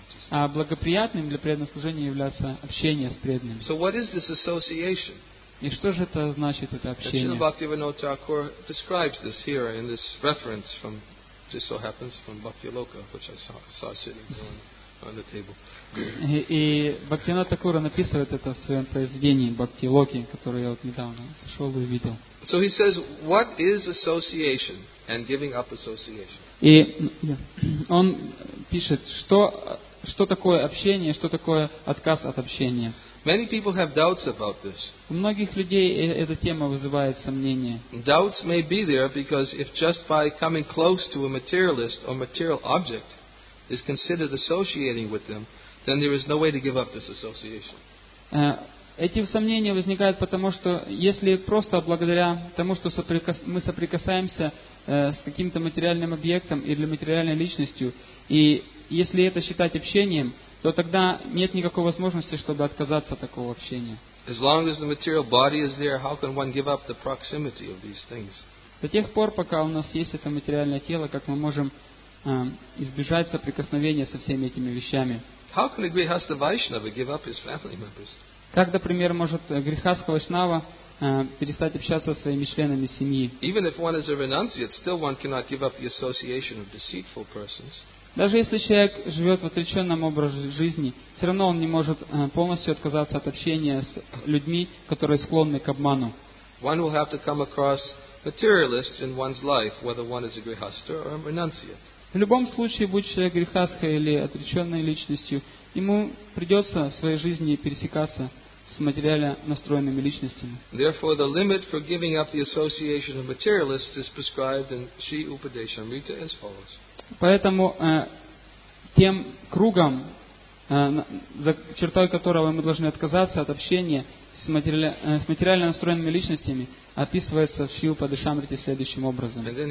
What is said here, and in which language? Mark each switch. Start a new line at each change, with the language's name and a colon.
Russian: А благоприятным для преданного служения является общение с преданными.
English: So what is this association?
Russian: И что же это значит, это общение?
English: Srila Bhaktivinoda Thakur describes this here in this reference from just so happens from Bhaktiloka, which I saw sitting on the table.
Russian: И Бхактивинода Такура написывает это в своем произведении Бхактилоки, которое я вот недавно сошел и увидел.
English: So he says, what is association and giving up association?
Russian: И он пишет, что такое общение, что такое отказ от общения.
English: Many people have doubts about this.
Russian: У многих людей эта тема вызывает сомнения.
English: Doubts may be there because if just by coming close to a materialist or material object is considered associating with them, then there is no way to give up this association.
Russian: Эти сомнения возникают потому, что если просто благодаря тому, что мы соприкасаемся с каким-то материальным объектом или материальной личностью, и если это считать общением, то тогда нет никакой возможности, чтобы отказаться от такого общения.
English: As long as the material body is there, how can one give up the proximity of these things?
Russian: До тех пор, пока у нас есть это материальное тело, как мы можем избежать соприкосновения со всеми этими вещами?
English: How can a grihastha Vaishnava give up his family members?
Russian: Как, например, может грихастха Вайшнава перестать общаться со своими членами семьи?
English: Even if one is a renunciate, still one cannot give up the association of deceitful persons.
Russian: Даже если человек живет в отреченном образе жизни, все равно он не может полностью отказаться от общения с людьми, которые склонны к обману.
English: One will have to come across materialists in one's life, whether one is a grihastha or a renunciate.
Russian: В любом случае, будь человек грихастхой или отреченной личностью, ему придется в своей жизни пересекаться с материально настроенными личностями.
English: Therefore, the limit for giving up the association of materialists is prescribed in Sri Upadeshamrita as follows.
Russian: Поэтому тем кругом, за чертой которого мы должны отказаться от общения с материально настроенными личностями, описывается в Шри Упадешамрите следующим образом.